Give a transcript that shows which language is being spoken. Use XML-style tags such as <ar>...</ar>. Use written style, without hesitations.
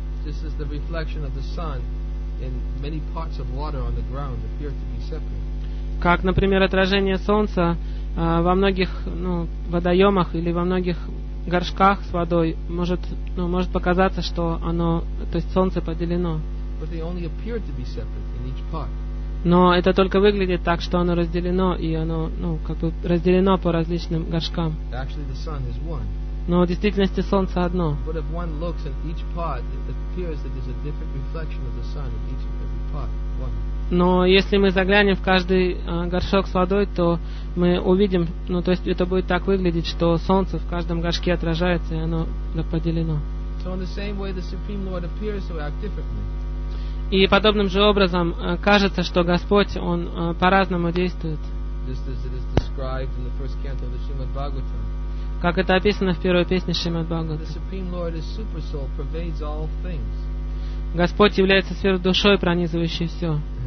<en>This is the reflection of the sun in many parts of water on the ground appear to be separate.</en> <ru>Как, например, отражение солнца во многих, ну, водоемах или во многих горшках с водой может, ну, может показаться, что оно, то есть солнце поделено.</ru> <en>But they only appear to be separate in each part.</en> <ru>Но это только выглядит так, что оно разделено, и оно, ну, как бы разделено по различным горшкам.</ru> <en>Actually, the sun is one.</en> <ru>Но в действительности солнце одно.</ru> <en>But if one looks at each part, it appears that there's a different reflection of the sun in each and every part.</en> <ru>Но если мы заглянем в каждый горшок с водой, то мы увидим, ну, то есть это будет так выглядеть, что солнце в каждом горшке отражается, и оно поделено.</ru> <en>So in the same way the Supreme Lord appears to act differently.</en> <ru>И подобным же образом кажется, что Господь, Он по-разному действует.</ru> <en>Just as it is described in the first canto of the Srimad Bhagavatam.</en> <ru>Как это описано в первой песне Шримад Бхагаватам.</ru> <en>The Supreme Lord is super soul, pervades all things.</en> <ru>Господь является сверхдушой, пронизывающей все.</ru>